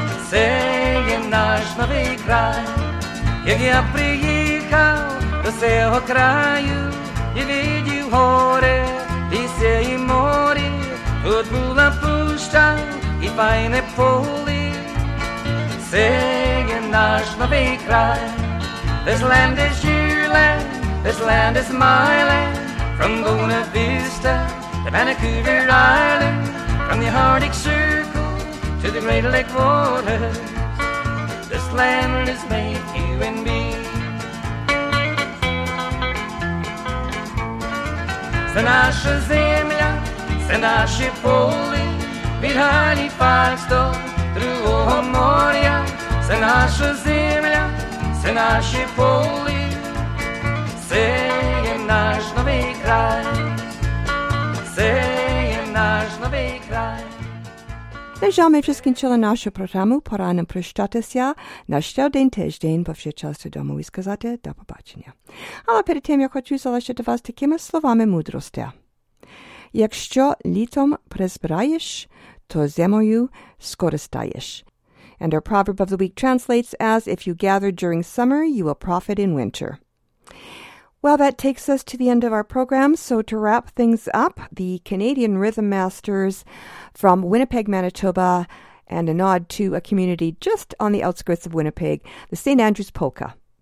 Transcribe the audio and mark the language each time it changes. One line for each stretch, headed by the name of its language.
Ukrainian: Це є наш новий край. Як я приїхав до цього краю і видів горе, лісе і море. Тут була пуща і файне полі. Це є наш новий край.
English: This land is your land, this land is my land. From Buena Vista to Vancouver Island, from the Arctic Circle to the Great Lake waters, this land is made you and me.
Ukrainian: Це наша земля, це наші полі, від Галіфакс до другого моря. Це наша земля, це наші полі, це є наш новий край, це є наш новий край. На жаль, ми вже скінчили нашу програму. Пора нам прощатися на ще один тиждень, бо вже час додому і сказати до побачення. Але перед тим я хочу залишити вас такими словами мудрості. Якщо літом призбираєш, то зимою скористаєш.
English: And our proverb of the week translates as, if you gather during summer, you will profit in winter. Well, that takes us to the end of our program. So to wrap things up, the Canadian Rhythm Masters from Winnipeg, Manitoba, and a nod to a community just on the outskirts of Winnipeg, the St. Andrews Polka.